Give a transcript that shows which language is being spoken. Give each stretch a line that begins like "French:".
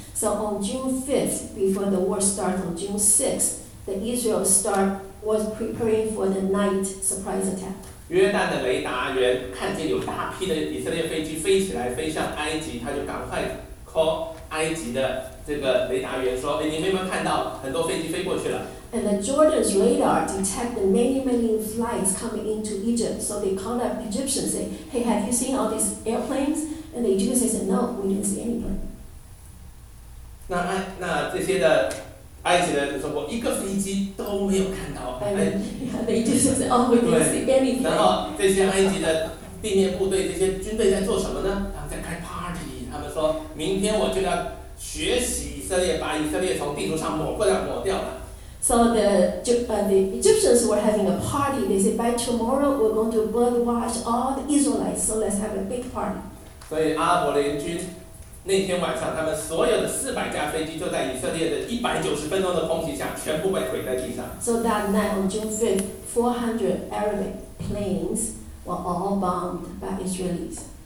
English: So on June 5th, before the war starts on June 6th, the Israel start was preparing for the night surprise attack.
Chinese: 约旦的雷达员看见有大批的以色列飞机飞起来，飞向埃及，他就赶快 call 埃及的这个雷达员说：“哎，你们有没有看到很多飞机飞过去了？”
English: And the Jordan's radar detected many, many flights coming into Egypt. So they called up Egyptians, say, "Hey, have you seen all these airplanes?" And the Egyptians said, "No, we didn't see anyone."
Chinese: 那这些的埃及人说，我一个飞机都没有看到。
English: The Egyptians said, "Oh, we didn't see anything."
Chinese: 然后这些埃及的地面部队、这些军队在做什么呢？他们在开 party。他们说，明天我就要学习以色列，把以色列从地图上抹过来、抹掉了。
English: So the Egyptians were having a party. They said, by tomorrow, we're going to birdwatch all the Israelites. So let's have a big party.
Chinese: 所以阿拉伯联军那天晚上，他们所有的400架飞机就在以色列的190分钟的空袭下，全部被毁在地上。
English: So that night on June 5th, 400 Arabic planes were all bombed by Israelis.